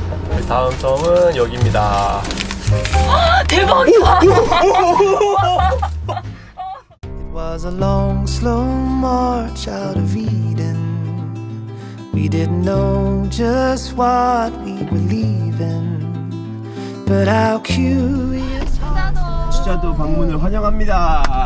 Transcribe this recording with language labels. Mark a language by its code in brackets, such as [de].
[ko] 우리 다음 섬은 여기입니다. 아, 대박이다. [en] It was a long slow march out of Eden. We didn't know just what we were leaving. But our cue is hard. [ko] 제주도 방문을 환영합니다.